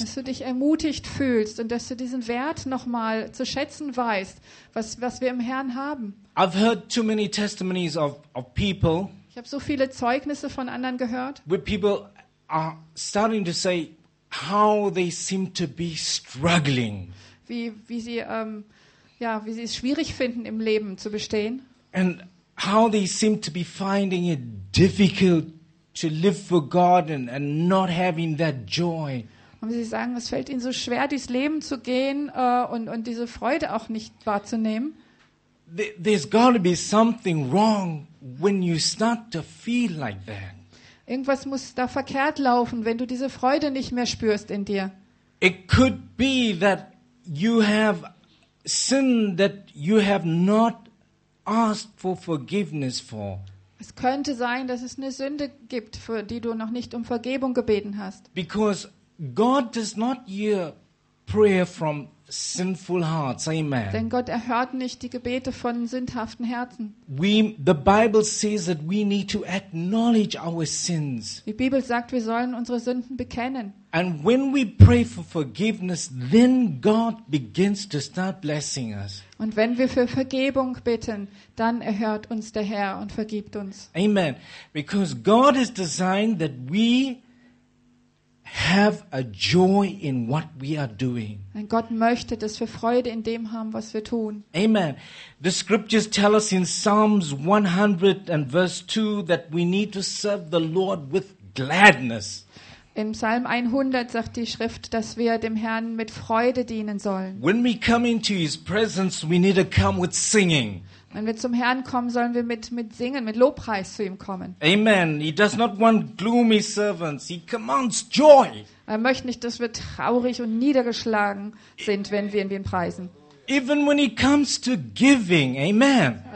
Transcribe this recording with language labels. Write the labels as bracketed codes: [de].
[de] Dass du dich ermutigt fühlst und dass du diesen Wert nochmal zu schätzen weißt, was wir im Herrn haben. [en] I've heard too many testimonies of people. [de] Ich habe so viele Zeugnisse von anderen gehört. [en] Where people are starting to say how they seem to be struggling. [de] Wie sie es schwierig finden im Leben zu bestehen. [en] And how they seem to be finding it difficult to live for God and not having that joy. [de] Und sie sagen, es fällt ihnen so schwer, dieses Leben zu gehen und diese Freude auch nicht wahrzunehmen. [en] There's got to be something wrong when you start to feel like that. [de] Irgendwas muss da verkehrt laufen, wenn du diese Freude nicht mehr spürst in dir. [en] It could be that you have sin that you have not asked for forgiveness for. [de] Es könnte sein, dass es eine Sünde gibt, für die du noch nicht um Vergebung gebeten hast. [en] Because God does not hear prayer from sinful hearts. Amen. [de] Denn Gott erhört nicht die Gebete von sündhaften Herzen. [en] The Bible says that we need to acknowledge our sins. [de] Die Bibel sagt, wir sollen unsere Sünden bekennen. [en] And when we pray for forgiveness, then God begins to start blessing us. [de] Und wenn wir für Vergebung bitten, dann erhört uns der Herr und vergibt uns. [en] Amen. Because God has designed that we have a joy in what we are doing. [de] Denn Gott möchte, dass wir Freude in dem haben, was wir tun. [en] Amen. The scriptures tell us in Psalms 100 and verse 2 that we need to serve the Lord with gladness. [de] In Psalm 100 sagt die Schrift, dass wir dem Herrn mit Freude dienen sollen. [en] When we come into his presence, we need to come with singing. [de] Wenn wir zum Herrn kommen, sollen wir mit singen, mit Lobpreis zu ihm kommen. [en] Amen. He does not want gloomy servants. He commands joy. [de] Er möchte nicht, dass wir traurig und niedergeschlagen sind, wenn wir ihn preisen. [en] Even when he comes to giving, amen.